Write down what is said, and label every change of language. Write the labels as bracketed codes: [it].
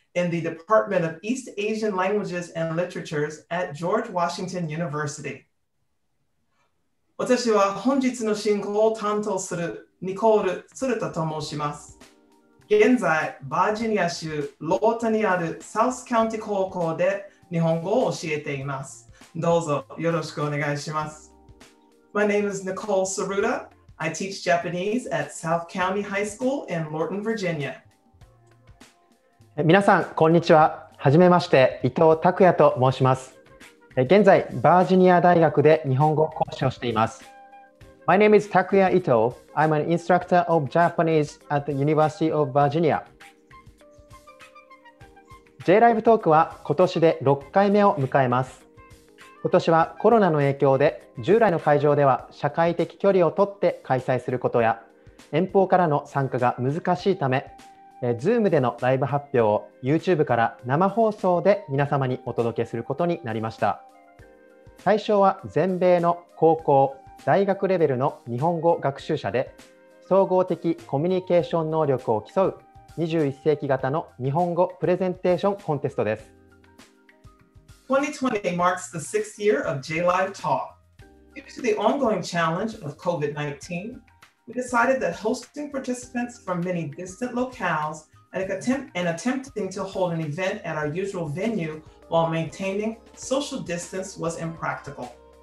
[en] In the Department of East Asian Languages and Literatures at George Washington University. [ja] 私は本日の進行を担当するニコール・ツルタと申します。現在、バージニア州ロータにあるサウスカウンティ高校で日本語を教えています。どうぞよろしくお願いします。 [en] My name is Nicole Tsuruta. I teach Japanese at South County High School in Lorton, Virginia. [ja] 皆さんこんにちは。はじめまして、伊藤拓也と申します。現在バージニア大学で日本語講師をしています。 [en] My name is Takuya Ito. I'm an instructor of Japanese at the University of Virginia. [ja] J-Live Talk は今年で6回目を迎えます。今年はコロナの影響で従来の会場では社会的距離をとって開催することや遠方からの参加が難しいためZoom でのライブ発表を YouTube から生放送で皆様にお届けすることになりました。対象は全米の高校・大学レベルの日本語学習者で、総合的コミュニケーション能力を競う21世紀型の日本語プレゼンテーションコンテストです。 [en] 2020 marks the sixth year of J-Live Talk. Due to the ongoing challenge of COVID-19,We decided that hosting participants from many distant locales and attempting to hold an event at our usual venue while maintaining social distance was impractical.